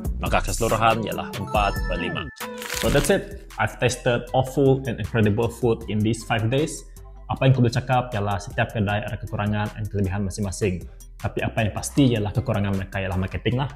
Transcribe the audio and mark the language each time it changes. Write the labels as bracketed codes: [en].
[ms] Maka keseluruhan ialah 4/5. [en] So that's it. I've tasted awful and incredible food in these 5 days. [ms] Apa yang aku boleh cakap ialah setiap kedai ada kekurangan dan kelebihan masing-masing. Tapi apa yang pasti ialah kekurangan mereka ialah marketing lah.